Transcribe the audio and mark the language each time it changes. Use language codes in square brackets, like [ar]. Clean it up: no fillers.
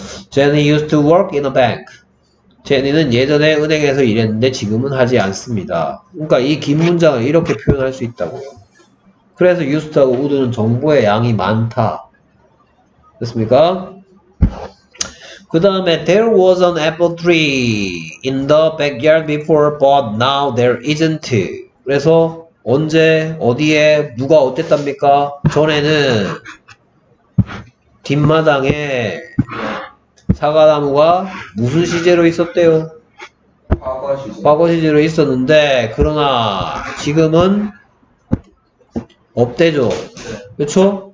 [en] Jenny used to work in a bank. [ko] 제니는 예전에 은행에서 일했는데 지금은 하지 않습니다. 그러니까 이 긴 문장을 이렇게 표현할 수 있다고요. 그래서 유스트하고 우드는 정보의 양이 많다. 됐습니까? 그 다음에 [en] There was an apple tree in the backyard before but now there isn't. [ko] 그래서 언제 어디에 누가 어땠답니까? 전에는 뒷마당에 사과나무가 무슨 시제로 있었대요? 과거 시제로 있었는데 그러나 지금은 없대죠. 그렇죠?